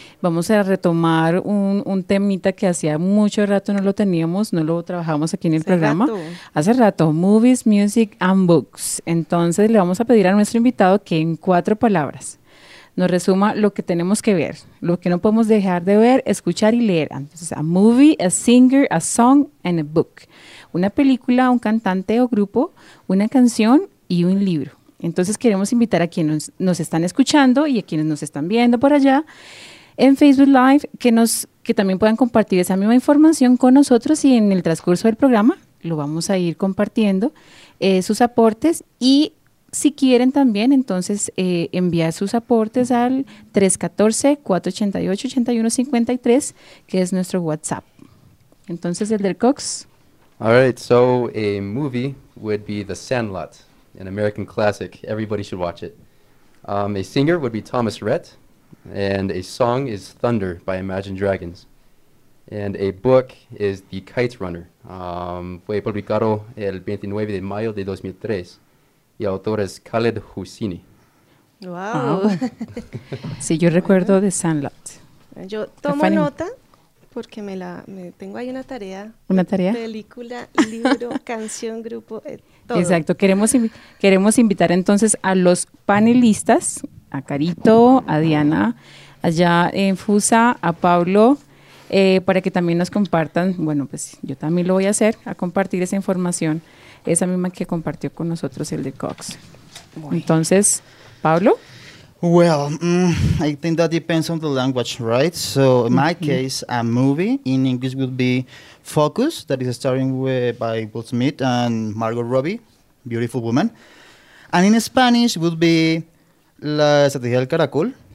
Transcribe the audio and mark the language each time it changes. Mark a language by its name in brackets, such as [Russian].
[Spanish] Vamos a retomar un temita que hacía mucho rato no lo teníamos, no lo trabajábamos aquí en el programa. Hace rato, [English] movies, music and books. [Spanish] Entonces le vamos a pedir a nuestro invitado que en cuatro palabras nos resuma lo que tenemos que ver, lo que no podemos dejar de ver, escuchar y leer. [English] Entonces, a movie, a singer, a song, and a book. [Spanish] Una película, un cantante o grupo, una canción y un libro. Entonces, queremos invitar a quienes nos están escuchando y a quienes nos están viendo por allá en Facebook Live que también puedan compartir esa misma información con nosotros y en el transcurso del programa lo vamos a ir compartiendo, sus aportes y si quieren también, entonces enviar sus aportes al 314-488-8153, que es nuestro WhatsApp. Entonces, Elder Cox. [English] All right, so a movie would be The Sandlot, an American classic. Everybody should watch it. A singer would be Thomas Rhett, and a song is Thunder by Imagine Dragons. [Spanish] And a book is The Kite Runner. Fue publicado el 29 de mayo de 2003. Y el autor es Khaled Husseini. Wow. Oh. Sí, yo recuerdo The Sandlot. Yo tomo nota porque me tengo ahí una tarea. ¿Una tarea? Película, libro, canción, grupo, todo. Exacto. Queremos invitar entonces a los panelistas, a Carito, a Diana, allá en Fusa, a Pablo, para que también nos compartan. Bueno, pues yo también lo voy a hacer, a compartir esa información, esa misma que compartió con nosotros el de Cox. Bueno. Entonces, Pablo. [English] Well, I think that depends on the language, right? So in my case, a movie in English would be Focus, that is starring by Will Smith and Margot Robbie, Beautiful Woman. And in Spanish would be La Estrategia del Caracol.